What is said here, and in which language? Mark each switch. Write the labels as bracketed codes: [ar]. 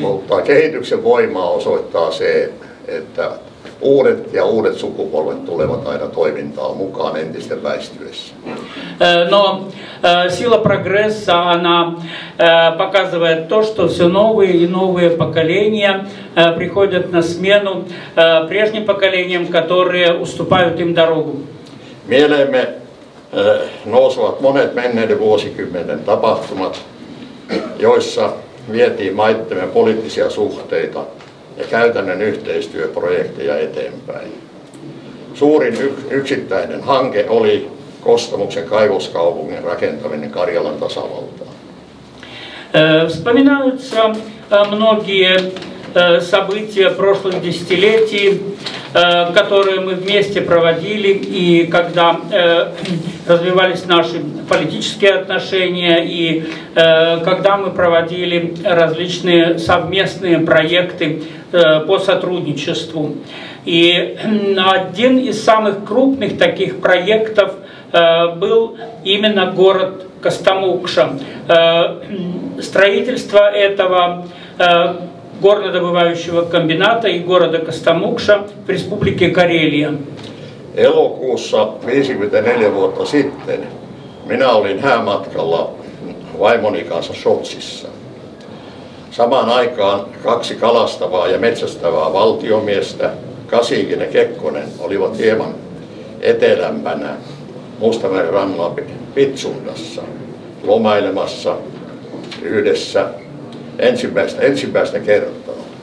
[fi] Mutta kehityksen voima osoittaa se, että uudet ja uudet sukupolvet tulevat aina toimintaan mukaan entisten väistyessä. [ru] Но сила прогресса, она показывает то, что все новые и новые поколения приходят на смену прежним поколениям, которые уступают им дорогу. [fi] Mieleemme nousevat monet menneiden vuosikymmenen tapahtumat, joissa vietiin maittemme poliittisia suhteita ja käytännön yhteistyöprojekteja eteenpäin. Suurin yksittäinen hanke oli Kostamuksen kaivoskaupungin rakentaminen Karjalan tasavaltaan. [ru] Вспоминаются многие события прошлых десятилетий, которые мы вместе проводили, и когда развивались наши политические отношения, и когда мы проводили различные совместные проекты по сотрудничеству. И один из самых крупных таких проектов был именно город Костомукша. Строительство этого горнодобывающего комбината и города Костомукша в республике Карелия. [fi] Elokuussa 54 vuotta sitten minä olin häämatkalla vaimoni kanssa Sotsissa. Samaan aikaan kaksi kalastavaa ja metsästävää valtiomiestä, Kasikin ja Kekkonen, olivat hieman etelämpänä Mustameren rannalla Pitsundassa lomailemassa yhdessä ensimmäistä kertaa.